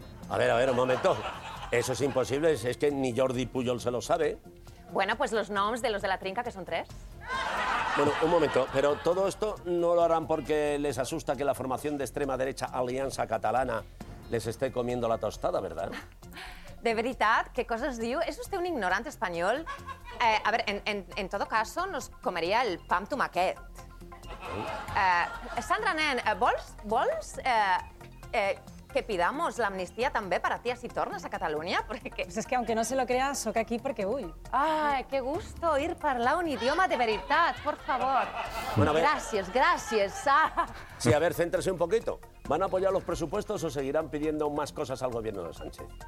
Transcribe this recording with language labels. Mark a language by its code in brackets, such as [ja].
[es] A ver, un momento. Eso es imposible, es que ni Jordi Puyol se lo sabe. Bueno, pues los noms de los de la trinca, que son tres. Bueno, un momento, pero todo esto no lo harán porque les asusta que la formación de extrema derecha Alianza Catalana les esté comiendo la tostada, ¿verdad? [ca] De veritat, què coses diu? És vostè un ignorant espanyol? A veure, en todo caso, nos comeria el pa amb tomaquet. Sandra, nen, vols que pidamos l'amnistia també per a ti si tornes a Catalunya? [es] Porque... Pues es que, aunque no se lo crea, sóc aquí perquè vull. Ay, qué gusto oír parlar un idioma de veritat, por favor. [ca] Bueno, gràcies, gràcies. [es] Sí, a ver, céntrese un poquito. ¿Van a apoyar los presupuestos o seguirán pidiendo más cosas al gobierno de Sánchez?